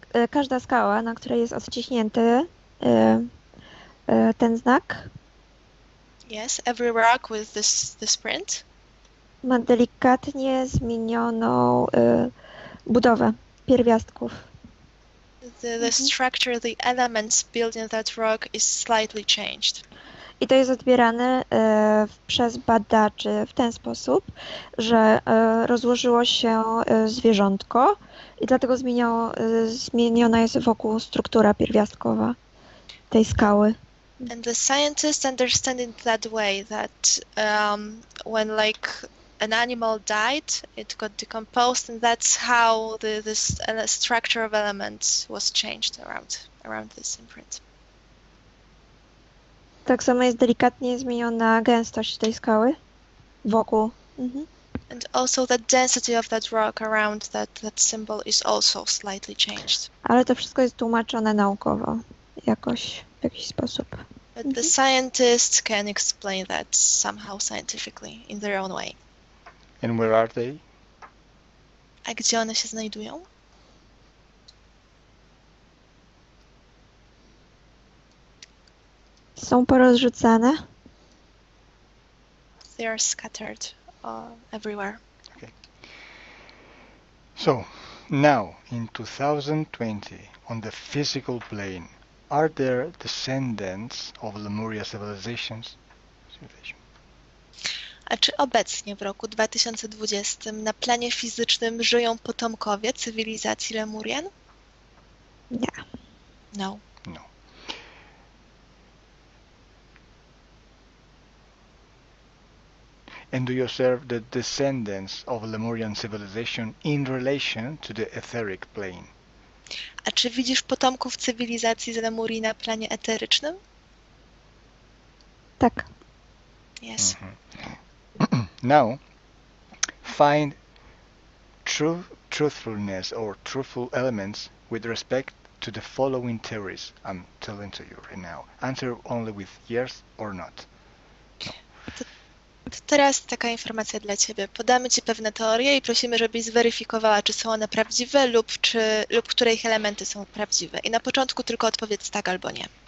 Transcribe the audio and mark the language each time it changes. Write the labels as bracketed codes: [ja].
[pl] Każda skała, na której jest odciśnięty ten znak. [en] Yes, every rock with this print. [pl] Ma delikatnie zmienioną budowę pierwiastków. [en] The structure, the elements built in that rock is slightly changed. [pl] I to jest odbierane przez badaczy w ten sposób, że rozłożyło się zwierzątko i dlatego zmieniona jest wokół struktura pierwiastkowa. tej skały. [en] And the scientists understand it that way, that when like an animal died, it got decomposed, and that's how this structure of elements was changed around this imprint. [pl] Tak samo jest delikatnie zmieniona gęstość tej skały wokół. Mhm. [en] And also the density of that rock around that symbol is also slightly changed. [pl] Ale to wszystko jest tłumaczone naukowo, jakoś, w jakiś sposób. [en] But the scientists can explain that somehow scientifically, in their own way. And where are they? [pl] A gdzie one się znajdują? Są porozrzucane. [en] They are scattered everywhere. Okay. So, now, in 2020, on the physical plane, are there descendants of Lemuria civilizations? [pl] A czy obecnie w roku 2020 na planie fizycznym żyją potomkowie cywilizacji Lemurian? Nie. [en] No. No. And do you observe the descendants of Lemurian civilization in relation to the etheric plane? [pl] A czy widzisz potomków cywilizacji z Lemurii na planie eterycznym? Tak. [en] Yes. Mm-hmm. Now, find truthfulness or truthful elements with respect to the following theories I'm telling to you right now. Answer only with yes or not. [pl] To teraz taka informacja dla Ciebie. Podamy Ci pewne teorie i prosimy, żebyś zweryfikowała, czy są one prawdziwe lub które ich elementy są prawdziwe. I na początku tylko odpowiedz tak albo nie.